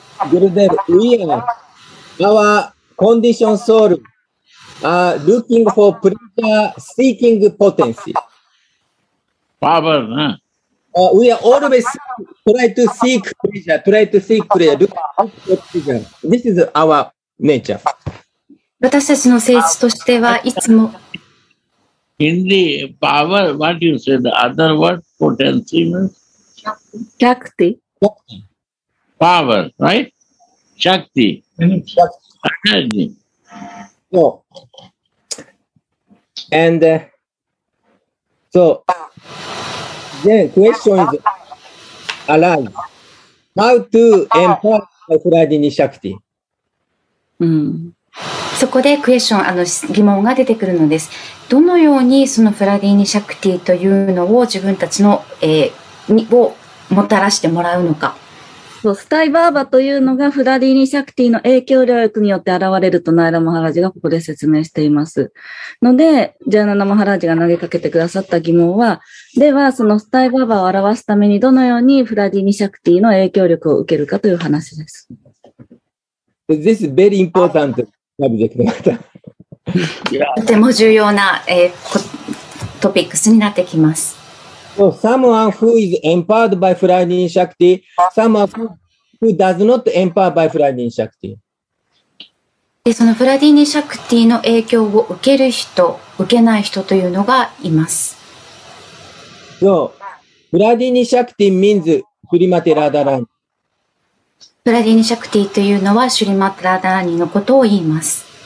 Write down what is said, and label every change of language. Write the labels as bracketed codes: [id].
[en] Gurudev, we areOur conditioned soul are looking for pleasure-seeking potency. Power, huh? We are always trying to seek pleasure, This is our nature. [ja] 私たちの性質としてはいつも。 [en] Hindi, power, what you said, the other word, potency means? Shakti. Power, right? Shakti. Shakti. So, and so then question is arise, how to empower Fladini Shakti? [ja] そこでクエスチョン、疑問が出てくるのです。どのようにそのフラディーニ・シャクティというのを自分たちの、をもたらしてもらうのか。そう、スタイバーバというのがフラディーニ・シャクティの影響力によって現れるとナイラ・マハラジがここで説明しています。ので、ジャーナナ・マハラジが投げかけてくださった疑問は、では、そのスタイバーバを表すためにどのようにフラディーニ・シャクティの影響力を受けるかという話です。 [en] This is very important subject. [ja] とても重要な、トピックスになってきます。 [en] So someone who is empowered by Fladini Shakti, someone who does not empower by Fladini Shakti. [ja] で、そのフラディーニ・シャクティの影響を受ける人、受けない人というのがいます。 [en] So, フラディーニ・シャクティ means シュリマテ・ラーダーラーニ。 [ja] フラディーニ・シャクティというのはシュリマテ・ラーダーラーニのことを言います。